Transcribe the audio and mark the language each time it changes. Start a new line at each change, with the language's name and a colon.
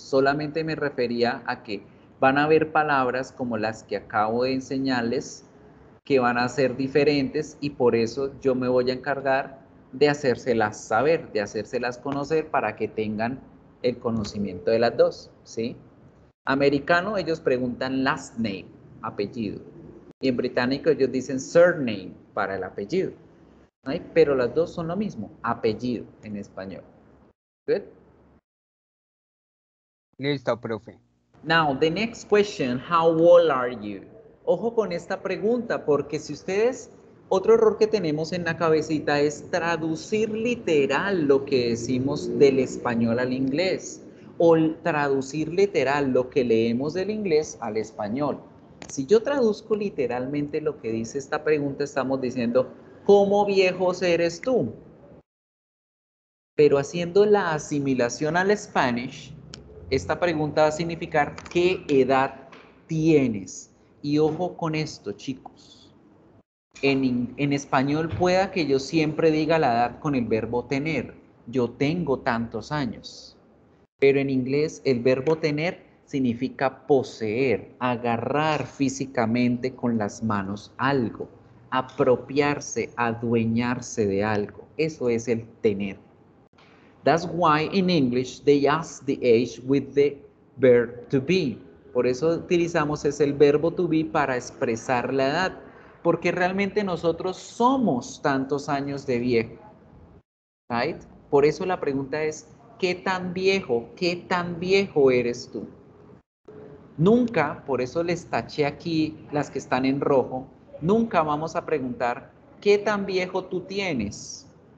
Spanish: Solamente me refería a que van a haber palabras como las que acabo de enseñarles que van a ser diferentes y por eso yo me voy a encargar de hacérselas saber, de hacérselas conocer para que tengan el conocimiento de las dos, ¿sí? Americano, ellos preguntan last name, apellido. Y en británico ellos dicen surname para el apellido, ¿no? Pero las dos son lo mismo, apellido en español.
English: Good.
Spanish: Listo, profe.
English: Now, the next question, how old are you?
Spanish: Ojo con esta pregunta, porque si ustedes, otro error que tenemos en la cabecita es traducir literal lo que decimos del español al inglés o traducir literal lo que leemos del inglés al español. Si yo traduzco literalmente lo que dice esta pregunta, estamos diciendo, ¿cómo viejo eres tú? Pero haciendo la asimilación al Spanish, esta pregunta va a significar, ¿qué edad tienes? Y ojo con esto, chicos. En español pueda que yo siempre diga la edad con el verbo tener. Yo tengo tantos años. Pero en inglés el verbo tener significa poseer, agarrar físicamente con las manos algo, apropiarse, adueñarse de algo. Eso es el tener.
English: That's why in English they ask the age with the verb to be.
Spanish: Por eso utilizamos es el verbo to be para expresar la edad. Porque realmente nosotros somos tantos años de viejo, ¿right? Por eso la pregunta es, qué tan viejo eres tú? Nunca, por eso les taché aquí las que están en rojo, nunca vamos a preguntar, ¿qué tan viejo tú tienes?